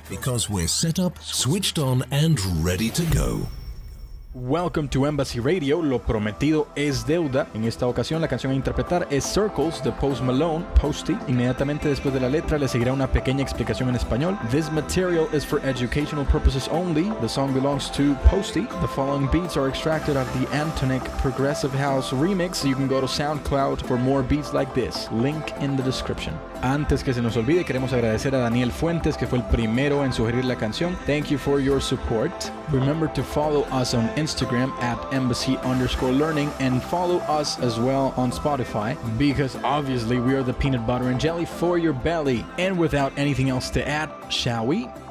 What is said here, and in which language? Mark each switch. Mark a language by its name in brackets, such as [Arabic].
[English] because we're set up, switched on, and ready to go. Welcome to Embassy Radio. [Spanish] Lo prometido es deuda. En esta ocasión, la canción a interpretar es Circles de Post Malone. Posty. Inmediatamente después de la letra, le seguirá una pequeña explicación en español. [English] This material is for educational purposes only. The song belongs to Posty. The following beats are extracted of the Antonic Progressive House remix. You can go to SoundCloud for more beats like this. Link in the description. [Spanish] Antes que se nos olvide, queremos agradecer a Daniel Fuentes, que fue el primero en sugerir la canción. [English] Thank you for your support. Remember to follow us on Instagram @embassy_learning and follow us as well on Spotify, because obviously we are the peanut butter and jelly for your belly. And without anything else to add, shall we?